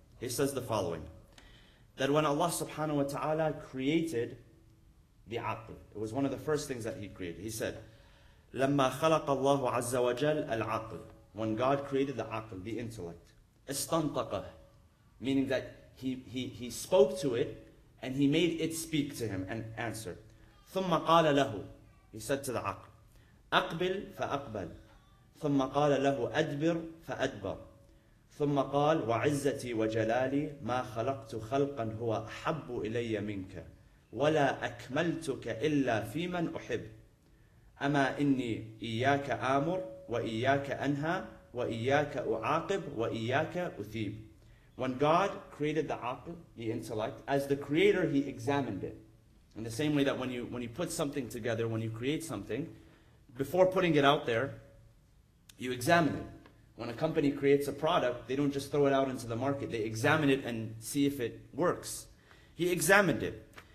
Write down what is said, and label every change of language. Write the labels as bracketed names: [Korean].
[English] He says the following, that when Allah subhanahu wa ta'ala created the aql, it was one of the first things that he created. He said, [Arabic] لما خلق الله عز وجل العقل, [English] when God created the aql, the intellect, [Arabic] استنطقه, [English] meaning that he spoke to it, and he made it speak to him and answer. [Arabic] ثم قال له, [English] he said to the [Arabic] عقل, أقبل فأقبل, ثم قال له أدبر فأدبر, ثم قال وعزتي وجلالي ما خلقت خلقا هو أحب إلي منك ولا أكملتك إلا في من أحب, أما إني إياك آمر وإياك أنهى وإياك أعاقب وإياك أثيب. [English] When God created the عقل, the intellect, as the creator, he examined it. In the same way that when you put something together, when you create something, before putting it out there, you examine it. When a company creates a product, they don't just throw it out into the market. They examine it and see if it works. He examined it.